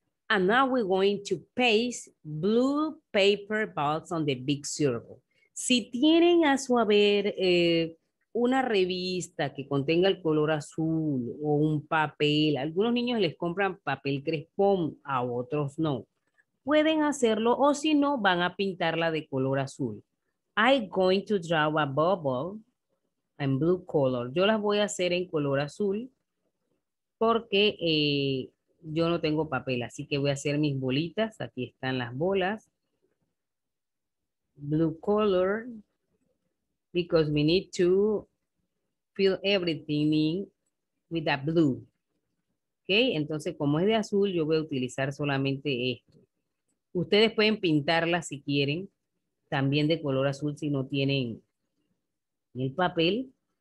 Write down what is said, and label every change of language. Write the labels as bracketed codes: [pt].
[en] And now we're going to paste blue paper balls on the big circle. [es] Si tienen a su haber una revista que contenga el color azul o un papel, algunos niños les compran papel crespón, a otros no. Pueden hacerlo o si no, van a pintarla de color azul. [en] I'm going to draw a bubble in blue color. [es] Yo las voy a hacer en color azul porque yo no tengo papel, así que voy a hacer mis bolitas. Aquí están las bolas. [en] Blue color, because we need to fill everything in with a blue. [es] Okay, entonces como es de azul, yo voy a utilizar solamente esto. Ustedes pueden pintarla si quieren, también de color azul si no tienen el papel.